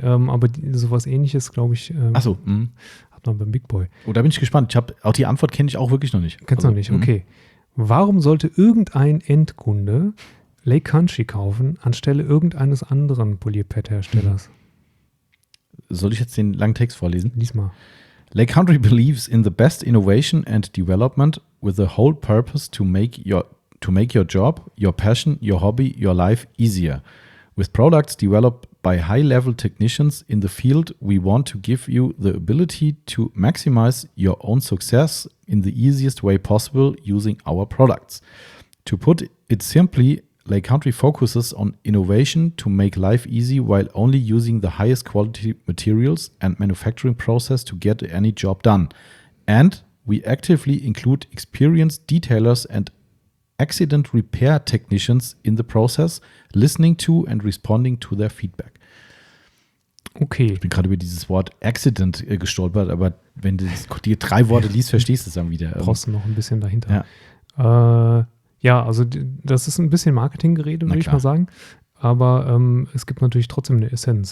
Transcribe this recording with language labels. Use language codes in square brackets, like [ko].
[de] Aber sowas Ähnliches, glaube ich, hat man beim Big Boy. Oh, da bin ich gespannt. Auch die Antwort kenne ich auch wirklich noch nicht. Kennst du noch nicht, okay. Warum sollte irgendein Endkunde Lake Country kaufen, anstelle irgendeines anderen Polierpad-Herstellers? Soll ich jetzt den langen Text vorlesen? Lies mal. [en] Lake Country believes in the best innovation and development with the whole purpose to make your job, your passion, your hobby, your life easier. With products developed By high-level technicians in the field, we want to give you the ability to maximize your own success in the easiest way possible using our products. To put it simply, Lake Country focuses on innovation to make life easy while only using the highest quality materials and manufacturing process to get any job done. And we actively include experienced detailers and accident repair technicians in the process, listening to and responding to their feedback. [de] Okay. Ich bin gerade über dieses Wort Accident gestolpert, aber wenn du die drei Worte liest, verstehst du es dann wieder. Brauchst du noch ein bisschen dahinter. Ja. Ja, also das ist ein bisschen Marketinggerede, würde ich mal sagen. Aber es gibt natürlich trotzdem eine Essenz.